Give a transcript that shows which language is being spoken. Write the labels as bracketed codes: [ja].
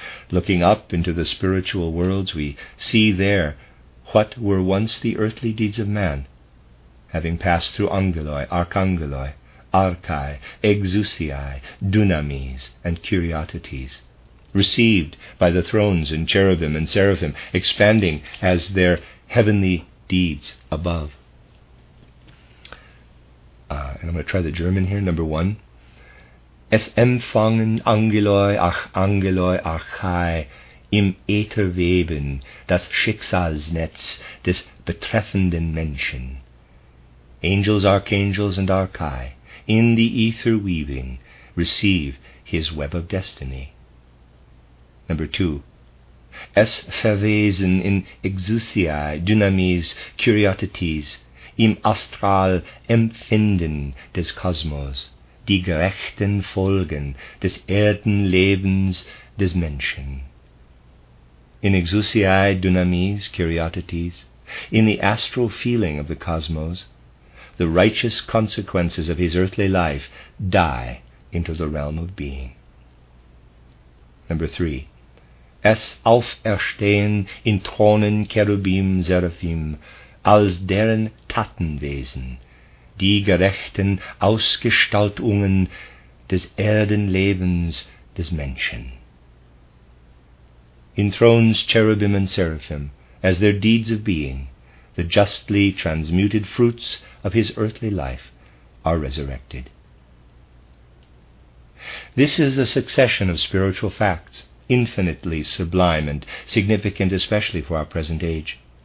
[en] Looking up into the spiritual worlds, we see there what were once the earthly deeds of man, having passed through angeloi, archangeloi, archai, exousiai, dunamis, and curiotities, received by the thrones and cherubim and seraphim, expanding as their heavenly deeds above. And I'm going to try the German here, number one. [de] Es empfangen angeloi, ach angeloi, archai, im Ätherweben das Schicksalsnetz des betreffenden Menschen. [en] Angels, archangels, and archai, in the ether weaving, receive his web of destiny. Number two. [de] Es verwesen in exousiae, dynamis, curiotities, im astral empfinden des Kosmos, die gerechten Folgen des Erdenlebens des Menschen. [en] In exousiae, dynamis, curiotities, in the astral feeling of the cosmos, the righteous consequences of his earthly life die into the realm of being. Number three. [de] Es auferstehen in Thronen Cherubim Seraphim als deren Tatenwesen, die gerechten Ausgestaltungen des Erdenlebens des Menschen. [en] In thrones Cherubim and Seraphim, as their deeds of being, the justly transmuted fruits of his earthly life are resurrected. This is a succession of spiritual facts, infinitely sublime and significant, especially for our present age.